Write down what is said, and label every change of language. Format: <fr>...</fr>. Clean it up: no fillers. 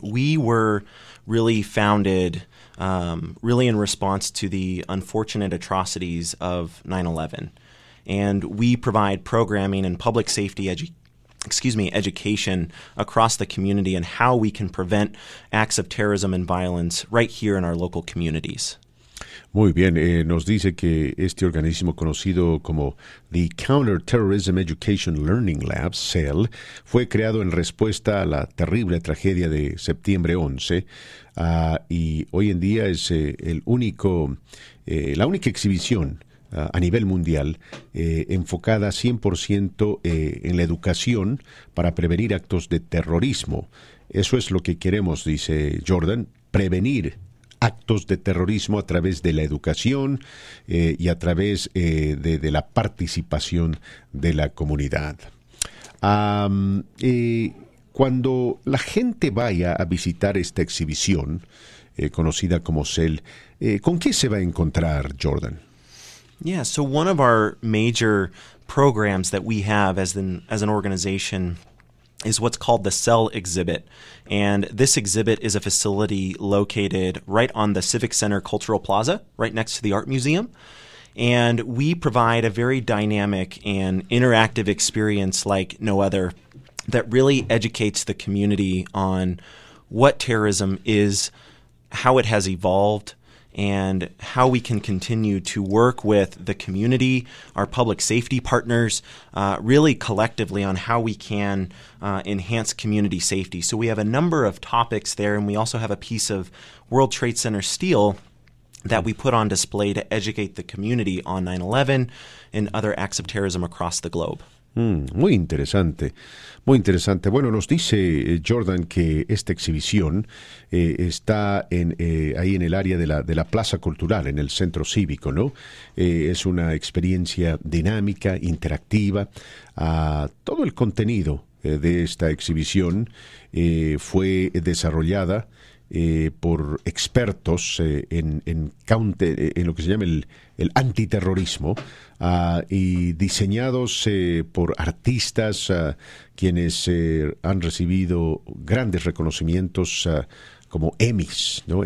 <en>We were really founded really in response to the unfortunate atrocities of 9/11. And we provide programming and public safety education across the community and how we can prevent acts of terrorism and violence right here in our local communities.</en> <es>Muy bien. Nos dice que este organismo conocido como the Counterterrorism Education Learning Lab, CELL, fue creado en respuesta a la terrible tragedia de septiembre 11, y hoy en día es la única exhibición a nivel mundial, enfocada 100% en la educación para prevenir actos de terrorismo. Eso es lo que queremos, dice Jordan, prevenir actos de terrorismo a través de la educación y a través de la participación de la comunidad. Cuando la gente vaya a visitar esta exhibición, conocida como CELL, ¿con qué se va a encontrar, Jordan?</es> <en>Yeah, so one of our major programs that we have as an organization is what's called the CELL exhibit. And this exhibit is a facility located right on the Civic Center Cultural Plaza, right next to the Art Museum. And we provide a very dynamic and interactive experience like no other that really educates the community on what terrorism is, how it has evolved and how we can continue to work with the community, our public safety partners, really collectively on how we can enhance community safety. So we have a number of topics there, and we also have a piece of World Trade Center steel that we put on display to educate the community on 9/11 and other acts of terrorism across the globe.</en> <es>Muy interesante, muy interesante. Bueno, nos dice Jordan que esta exhibición está en ahí en el área de la Plaza Cultural, en el Centro Cívico, ¿no? Es una experiencia dinámica, interactiva. Todo el contenido de esta exhibición fue desarrollada por expertos en lo que se llama el antiterrorismo y diseñados por artistas quienes han recibido grandes reconocimientos como Emmys, ¿no?</es>